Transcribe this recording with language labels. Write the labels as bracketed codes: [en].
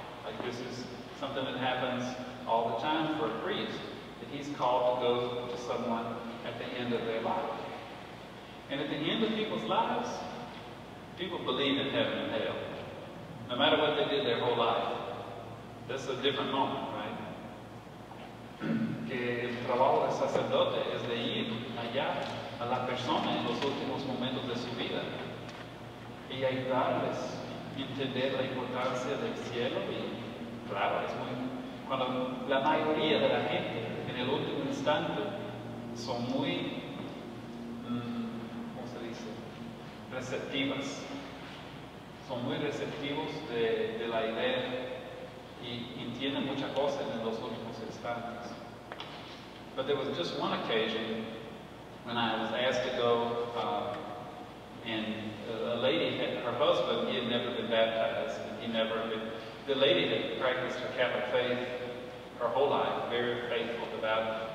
[en] Like, this is something that happens all the time for a priest, that he's called to go to someone at the end of their life. And at the end of people's lives, people believe in heaven and hell. No matter what they did their whole life, that's a different moment, right? [es] Que el trabajo del sacerdote es de ir allá a la persona en los últimos momentos de su vida y ayudarles a entender la importancia del cielo. Y claro, es muy, cuando la mayoría de la gente en el último instante son muy, ¿cómo se dice?, receptivas. Son muy receptivos de la idea y entienden muchas cosas en los últimos instantes. [en] But there was just one occasion when I was asked to go, and a lady, had, her husband, he had never been baptized. And he never been, the lady had practiced her Catholic faith her whole life, very faithful about it.